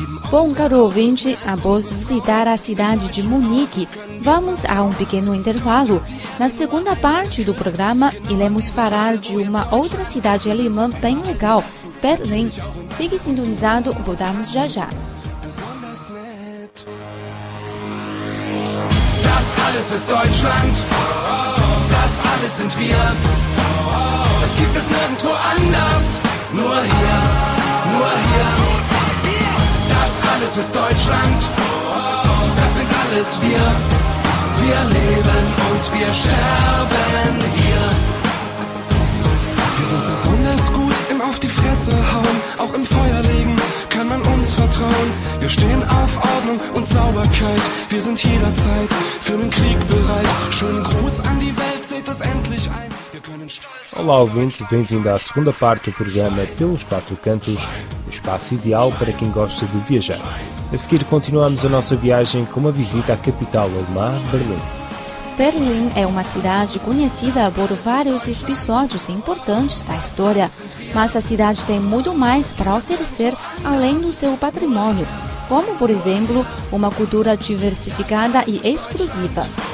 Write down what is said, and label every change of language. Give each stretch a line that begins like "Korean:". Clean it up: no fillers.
Portuguese: Bom, caro ouvinte, após visitar a cidade de Munique, vamos a um pequeno intervalo. Na segunda parte do programa, iremos falar de uma outra cidade alemã bem legal, Berlim. Fique sintonizado, voltamos já já.
German: Das alles ist Deutschland, das alles sind wir. Es gibt es nirgendwo anders, nur hier, nur hier. Das alles ist Deutschland, das sind alles wir. Wir leben und wir sterben hier. Wir sind besonders gut im auf die Fresse hauen, auch im Feuer legen. Kann man uns vertrauen? Wir stehen auf Ordnung und Sauberkeit. Wir sind jederzeit für den Krieg bereit. Schönen Gruß an die Welt, seht das endlich ein. Wir können stolz.
Portuguese: Olá, ouvinte, bem-vindo à segunda parte do programa Pelos Quatro Cantos, o espaço ideal para quem gosta de viajar. A seguir, continuamos a nossa viagem com uma visita à capital alemã, Berlim. Berlim é uma cidade conhecida por vários episódios importantes da história, mas a cidade tem muito mais para oferecer além do seu patrimônio, como, por exemplo, uma cultura diversificada e exclusiva.